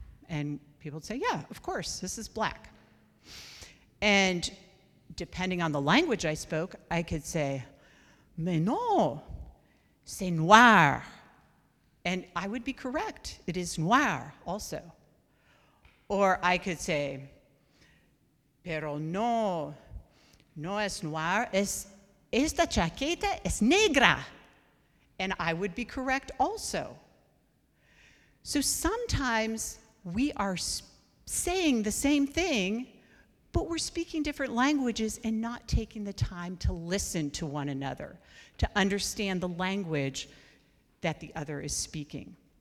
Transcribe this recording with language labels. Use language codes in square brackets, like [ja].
[en] And people would say, yeah, of course, this is black. And depending on the language I spoke, I could say, [fr] mais non, c'est noir. [en] And I would be correct, it is noir also. Or I could say, [es] pero no, no es noir, es esta chaqueta es negra. [en] And I would be correct also. So sometimes we are saying the same thing, but we're speaking different languages and not taking the time to listen to one another, to understand the language that the other is speaking.